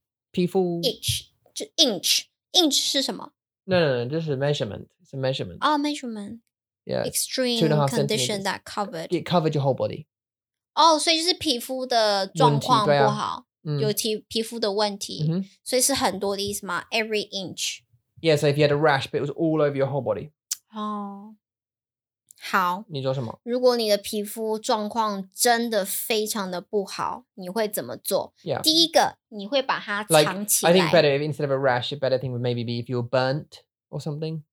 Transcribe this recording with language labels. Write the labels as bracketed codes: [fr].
[zh] 皮肤 inch 是什么 [en] no [zh] 这是 [en] measurement 哦、oh, measurement yeah, extreme condition that covered it covered your whole body [zh] 哦、oh, ，所以就是皮肤的状况不好、啊嗯、有皮肤的问题、嗯、所以是很多的意思吗 [en] Every inch Yeah, so if you had a rash but it was all over your whole body [zh] 哦、oh, 好你做什么如果你的皮肤状况真的非常的不好你会怎么做、 [en] yeah. [zh] 第一个你会把它藏起来 [en] like, I think better if, instead of a rash a better thing would maybe be if you were burnt or something、